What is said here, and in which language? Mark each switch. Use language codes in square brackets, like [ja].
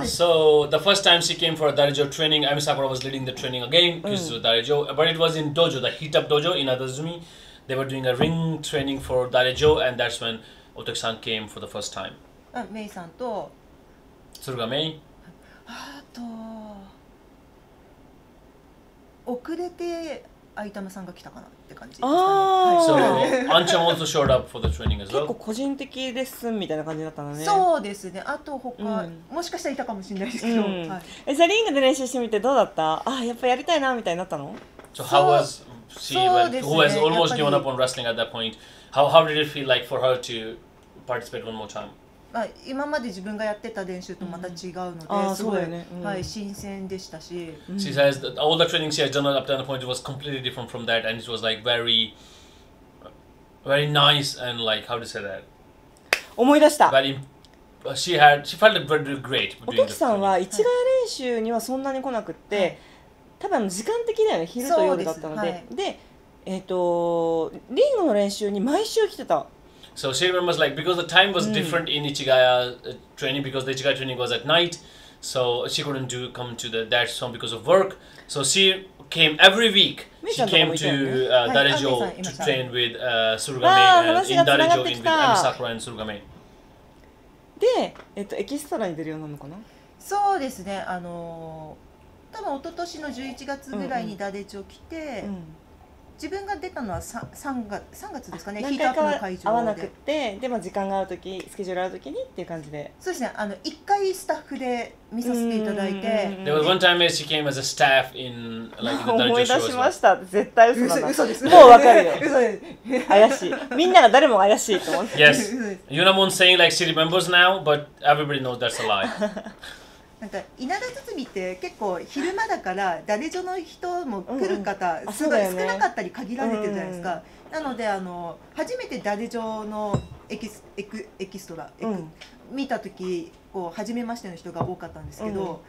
[en] So the first time she came for a Darajo training, Ami Sakura was leading the training again, this was Darajo, but it was in dojo, the heat up dojo, 稲田つつみ, they were doing a ring training for Darajo, and that's when Otaki-san came for the first time. [ja] メイさんと鶴がメイ、あと遅れてアイタムさんが来たかなって感じですかね。 [en] ああ、アンちゃん also showed up for the training as well。 [ja] 結構個人的レッスンみたいな感じだったのね。そうですね。あと他、もしかしたらいたかもしれないですけど。はい、じゃあリングで練習してみてどうだった？あ、やっぱやりたいなみたいになったの？ [en] So how was she who has almost given up on wrestling at that point? How did it feel like for her to participate one more time? [ja] まあ今まで自分がやってた練習とまた違うので、すごい、ね、はい、新鮮でしたし。 [en] She says that all the training she has done up to that point was completely different from that, and it was like very, very nice and like how to say that. [ja] 思い出した。 [en] But she felt very great. [ja] おときさんは一概練習にはそんなに来なくって、はい、多分時間的だよね、昼と夜だったので、で、はい、で、リングの練習に毎週来てた。 [en] So she remembers like because the time was different in Ichigaya training because the Ichigaya training was at night, so she couldn't do come to the that song because of work. So she came every week. She came to Darajo to train with Surugame, and in Darajo in with Ami Sakura and Surugame. [ja] で、エキストラに出るようなのかな？そうですね。多分一昨年の11月ぐらいにダレジョ来て。自分が出たのは 3月ですかね、ヒートアップの会場で。合わなくて、でも時間が合うとき、スケジュール合うときにっていう感じで。そうですね、あの1回スタッフで見させていただいて。 [en] There was one time when she came as a staff in like the [ja] Darajo 思い出しました。絶対嘘だ。嘘です。もうわかるよ。嘘です。怪しい。みんなが誰も怪しいと思って。 [en] Yes. Yunamon saying like she remembers now, but everybody knows that's a lie. [ja] なんか稲田つつみって結構昼間だからダレジョの人も来る方すごい少なかったり限られてるじゃないですか。なのであの初めてダレジョのエキストラ、見た時こう初めましての人が多かったんですけど、